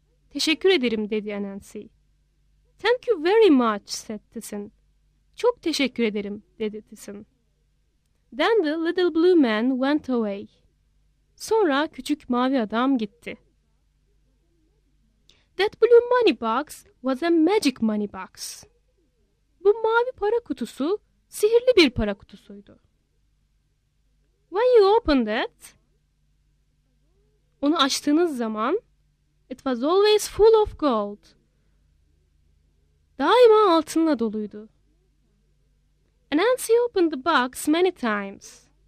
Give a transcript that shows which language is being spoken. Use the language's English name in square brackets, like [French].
[Turkish] Teşekkür ederim, dedi Anansi. [English] Thank you very much, said Tisin. [Turkish] Çok teşekkür ederim, dedi Tisin. [English] Then the little blue man went away. [Turkish] Sonra küçük mavi adam gitti. [English] That blue money box was a magic money box. [Turkish] Bu mavi para kutusu sihirli bir para kutusuydu. [English] When you opened it, [Turkish] onu açtığınız zaman, [English] it was always full of gold. [Turkish] Daima altınla doluydu. [English] Anansi opened the box many times.